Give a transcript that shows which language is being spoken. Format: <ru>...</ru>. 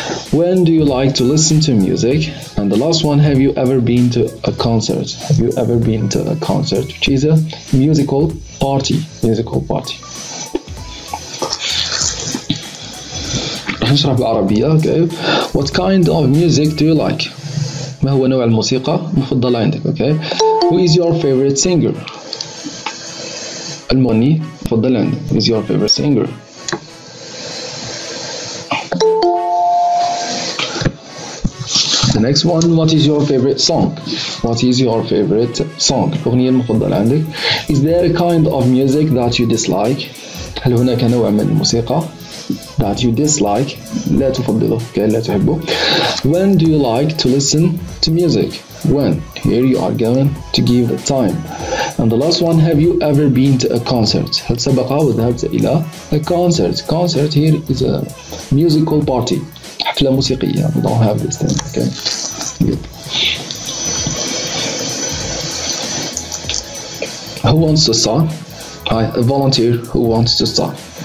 <en>When do you like to listen to music? And the last one, have you ever been to a concert? Have you ever been to a concert, which is a musical party? Musical party.</en> <ar>نشرح بالعربية. Okay.</ar> <en>What kind of music do you like?</en> <ar>ما هو نوع الموسيقى المفضلة عندك؟ Okay.</ar> <en>Who is your favorite singer?</en> <ar>المغني المفضل عندك.</ar> <en>Who is your favorite singer? The next one. What is your favorite song? What is your favorite song?</en> <ar>الأغنية المفضلة عندك.</ar> <en>Is there a kind of music that you dislike?</en> <ar>هل هناك نوع من الموسيقى</ar> <en>that you dislike,</en> <ar>لا تفضله, okay, لا تحبه.</ar> <en>When do you like to listen to music? When? Here you are going to give the time. And the last one, have you ever been to a concert?</en> <ar>هل سبق وذهبت إلى a concert?</ar> <en>Concert here is a musical party.</en> <ar>حفلة موسيقية.</ar> <en>We don't have this thing, okay? Good. Who wants to start? Hi, a volunteer who wants to start.</en>